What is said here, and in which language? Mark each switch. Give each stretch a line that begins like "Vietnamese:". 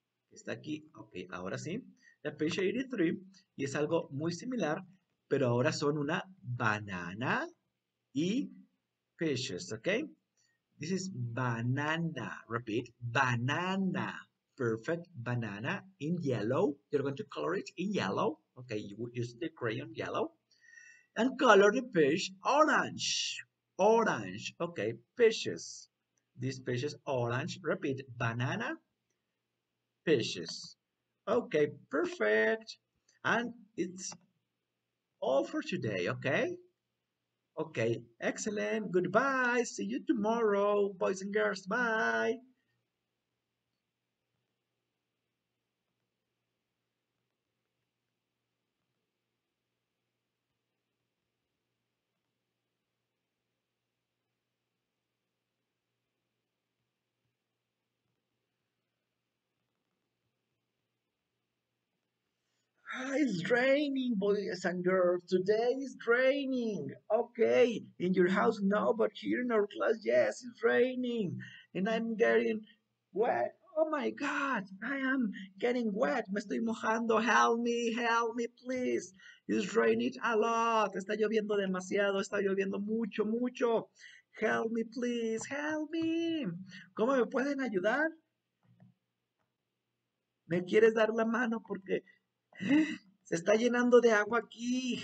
Spanish: está aquí, ok, ahora sí, la page 83, y es algo muy similar, pero ahora son una banana y peaches,
English: ok, this is banana, repeat, banana, perfect, banana in yellow, you're going to color it in yellow, ok, you use the crayon yellow, and color the peach orange. Orange, ok, peaches. This peach is orange, repeat, banana, peaches. Ok, perfect. And it's all for today, ok? Ok, excellent, goodbye, see you tomorrow, boys and girls, bye. It's raining, boys and girls. Today is raining. Okay, in your house, no, but here in our class, yes, it's raining. And I'm getting wet. Oh my God, I am getting wet.
Spanish: Me estoy mojando.
English: Help me, please. It's raining a lot.
Spanish: Está lloviendo demasiado. Está lloviendo mucho, mucho.
English: Help me, please. Help me.
Spanish: ¿Cómo me pueden ayudar? ¿Me quieres dar la mano? Porque se está llenando de agua aquí.